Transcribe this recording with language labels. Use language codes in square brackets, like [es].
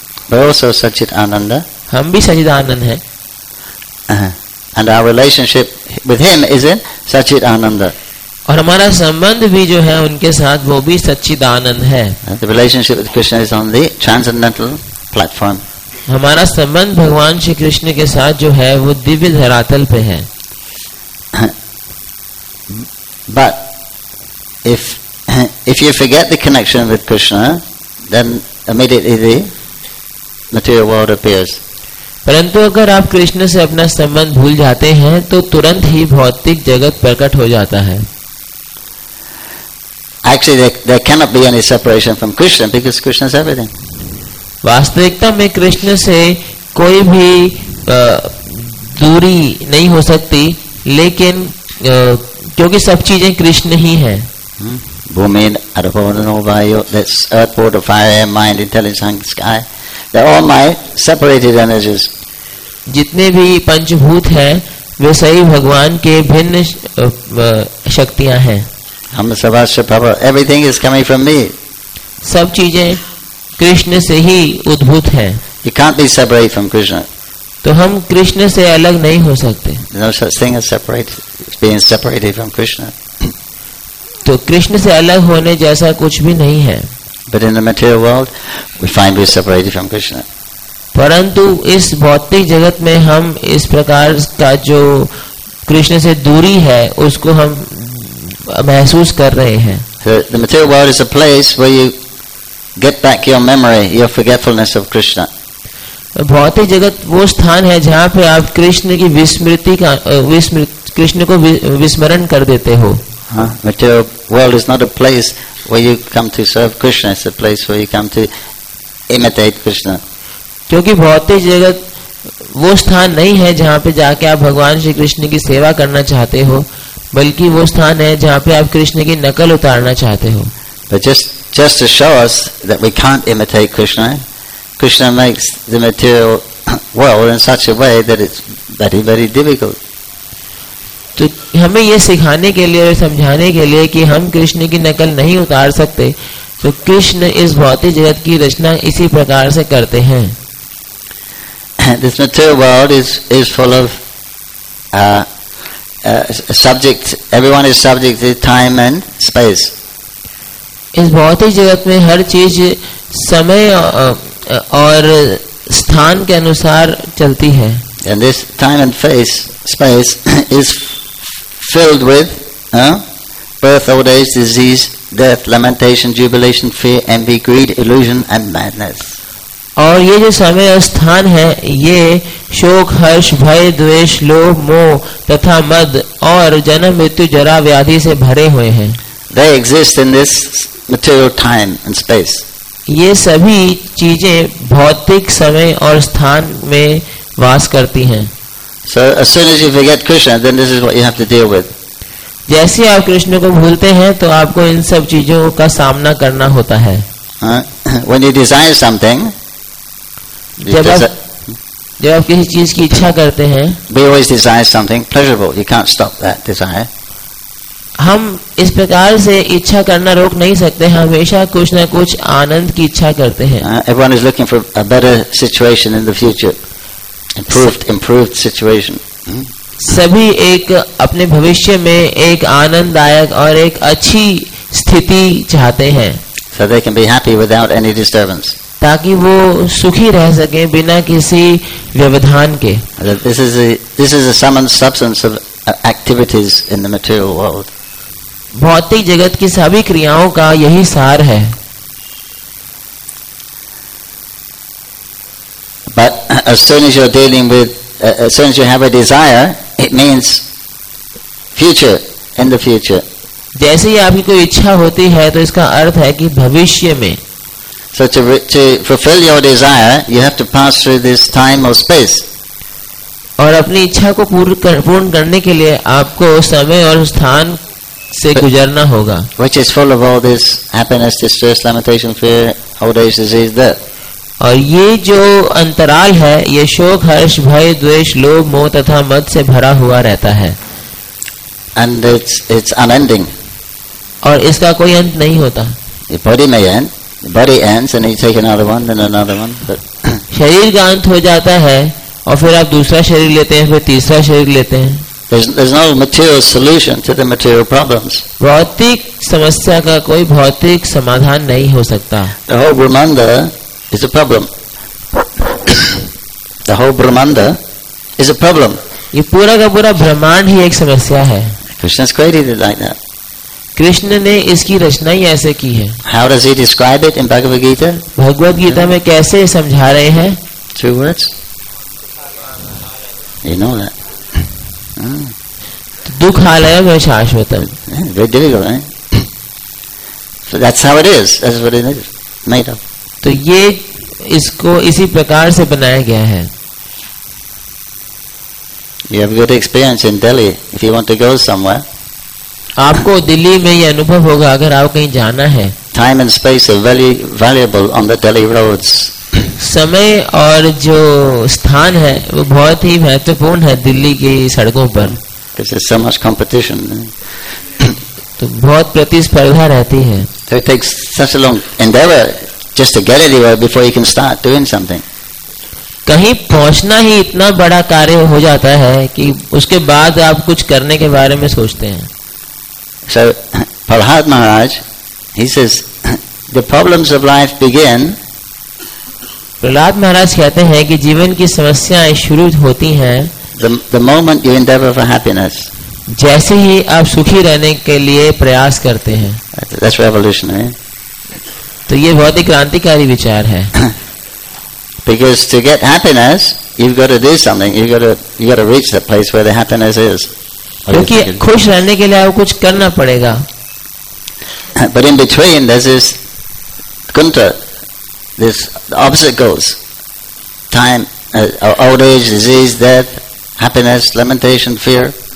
[en] We are also Sachit Ananda. [hi] हम भी सचित आनंद हैं। [en] And our relationship with him is in Sachit Ananda. [hi] और हमारा संबंध भी जो है उनके साथ वो भी सचित आनंद है। [en] The relationship with Krishna is on the transcendental platform. [hi] हमारा संबंध भगवान श्री कृष्ण के साथ जो है वो दिव्य धरातल पे है। [en] But if you forget the connection with Krishna, then immediately the material world appears. [hi] परंतु अगर आप कृष्ण से अपना संबंध भूल जाते हैं तो तुरंत ही भौतिक जगत प्रकट हो जाता है। [en] Actually, there cannot be any separation from Krishna because Krishna is everything. [hi] वास्तविकता में कृष्ण से कोई भी दूरी नहीं हो सकती लेकिन क्योंकि सब चीजें कृष्ण ही हैं। [en] भूमि अर्थ वायु earth water fire mind intelligence sky All my separated energies. [hi] जितने भी पंचभूत हैं, वे सही भगवान के भिन्न शक्तियां हैं। हम सबसे power, [en] everything is coming from me. [hi] सब चीजें कृष्ण से ही उद्भूत हैं। [en] You can't be separated from Krishna. [hi] तो हम कृष्ण से अलग नहीं हो सकते। [en] No such thing as being separated from Krishna. [hi] तो कृष्ण से अलग होने जैसा कुछ भी नहीं है। [en] But in the material world, we find we are separated from Krishna. [hi] परंतु इस भौतिक जगत में हम इस प्रकार का जो कृष्ण से दूरी है उसको हम महसूस कर रहे हैं। [en] The material world is a place where you get back your memory, your forgetfulness of Krishna. [hi] भौतिक जगत वो स्थान है जहाँ पे आप कृष्ण की विस्मृति का कृष्ण को विस्मरण कर देते हो। [en] Material world is not a place where you come to serve Krishna. It's a place where you come to imitate Krishna. [hi] क्योंकि भौतिक जगत वो स्थान नहीं है जहाँ पे जाके आप भगवान श्री कृष्ण की सेवा करना चाहते हो, बल्कि वो स्थान है जहाँ पे आप कृष्ण की नकल उतारना चाहते हो। [en] But just to show us that we can't imitate Krishna, Krishna makes the material world in such a way that it's very, very difficult. [hi] तो हमें ये सिखाने के लिए और समझाने के लिए कि हम कृष्ण की नकल नहीं उतार सकते, तो कृष्ण इस भौतिक जगत की रचना इसी प्रकार से करते हैं। [en] This material world is full of subject. Everyone is subject to time and space. [hi] इस भौतिक जगत में हर चीज समय और स्थान के अनुसार चलती है। [en] And this time and space is filled with birth, old age, disease, death, lamentation, jubilation, fear, envy, greed, illusion, and madness. [hi] और ये जो समय और स्थान है ये शोक हर्ष भय द्वेष लोभ मोह तथा मद और जन्म मृत्यु जरा व्याधि से भरे हुए हैं। [en] they exist in this material time and space. [hi] ये सभी चीजें भौतिक समय और स्थान में वास करती हैं. [en] So as soon as you forget Krishna, then this is what you have to deal with. [hi] जैसे ही आप कृष्ण को भूलते हैं, तो आपको इन सब चीजों का सामना करना होता है. [en] When you desire something, [hi] जब आप किसी चीज की इच्छा करते हैं, [en] we always desire something pleasurable. You can't stop that desire. [hi] हम इस प्रकार से इच्छा करना रोक नहीं सकते, हमेशा कुछ न कुछ आनंद की इच्छा करते हैं. [en] Everyone is looking for a better situation in the future, improved situation. [hi] सभी एक अपने भविष्य में एक आनंददायक और एक अच्छी स्थिति चाहते हैं. [en] So they can be happy without any disturbance. [hi] ताकि वो सुखी रह सके बिना किसी व्यवधान के. [en] This is a sum and substance of activities in the material world. [hi] भौतिक जगत की सभी क्रियाओं का यही सार है. [en] But as soon as you're dealing with, as soon as you have a desire, it means future, in the future. [hi] जैसे ही आपकी कोई इच्छा होती है, तो इसका अर्थ है कि भविष्य में. [en] So to fulfill your desire, you have to pass through this time or space. [hi] और अपनी इच्छा को पूर्ण करने के लिए आपको समय और स्थान से गुजरना होगा. [en] Which is full of all this happiness, distress, lamentation, fear, old age, disease, death. [hi] और ये जो अंतराल है, ये शोक, हर्ष, भय, द्वेष, लोभ, मोह तथा मद से भरा हुआ रहता है. [en] And it's unending. [hi] और इसका कोई अंत नहीं होता. [en] The body may end, the body ends, and you take another one, then another one. But [hi] शरीर का अंत हो जाता है, और फिर आप दूसरा शरीर लेते हैं, फिर तीसरा शरीर लेते हैं. [en] There's no material solution to the material problems. [hi] भौतिक समस्या का कोई भौतिक समाधान नहीं हो सकता. [en] The whole Brahmanda is a problem. The whole Brahmanda is a problem. [hi] ये पूरा का पूरा ब्रह्मांड ही एक समस्या है. [en] Krishna's created it like that. [hi] Krishna ने इसकी रचना ही ऐसे की है. [en] How does he describe it in Bhagavad Gita? [hi] Bhagavad Gita में कैसे समझा रहे हैं? [en] Two words. You know that. [sa] दुखालय शाश्वतम. [en] Very difficult, right? So that's how it is. That's what it is made of. [hi] तो ये इसको इसी प्रकार से बनाया गया है. [en] You have good experience in Delhi. If you want to go somewhere, [hi] आपको दिल्ली में ये अनुभव होगा अगर आप कहीं जाना है. [en] Time and space are very valuable on the Delhi roads. [hi] समय और जो स्थान है वो बहुत ही महत्वपूर्ण है दिल्ली की सड़कों पर. [en] Because there's so much competition. [hi] तो बहुत प्रतिस्पर्धा रहती है. [en] So it takes such a long endeavor just to get anywhere before you can start doing something. [hi] कहीं पहुंचना ही इतना बड़ा कार्य हो जाता है कि उसके बाद आप कुछ करने के बारे में सोचते हैं. [en] So Prahlad Maharaj, he says, the problems of life begin. [hi] Prahlad महाराज कहते हैं कि जीवन की समस्याएं शुरू होती हैं. [en] The moment you endeavor for happiness. [hi] जैसे ही आप सुखी रहने के लिए प्रयास करते हैं. [en] That's revolutionary. [hi] तो ये बहुत ही क्रांतिकारी विचार है. [en] Because to get happiness, you've got to do something. You've got to reach the place where the happiness is. [hi] क्योंकि खुश रहने के लिए आपको कुछ करना पड़ेगा. [en] But in between, there's this kunta. This obstacles, time, old age, disease, death, happiness, lamentation, fear.